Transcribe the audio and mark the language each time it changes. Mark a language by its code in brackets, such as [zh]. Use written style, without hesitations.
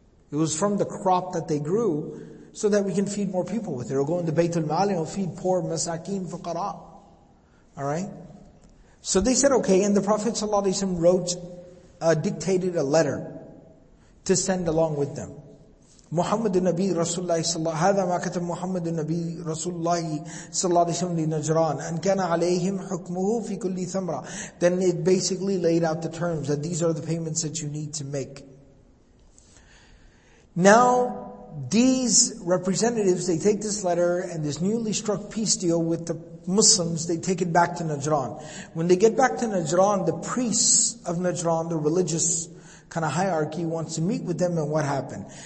[en] It was from the crop that they grew so that we can feed more people with it. It'll go into Baytul Mal and it'll feed poor masakin fuqara. Alright? So they said, okay, and the Prophet ﷺ dictated a letter to send along with them. [ar] محمد النبي رسول الله صلى الله هذا ما كتب محمد النبي رسول الله صلى الله عليه وسلم لنجران أن كان عليهم حكمه في كل ثمرة. [en] Then it basically laid out the terms that these are the payments that you need to make. Now these representatives, they take this letter and this newly struck peace deal with the Muslims, they take it back to Najran. When they get back to Najran, the priests of Najran, the religious kind of hierarchy, wants to meet with them, and what happened?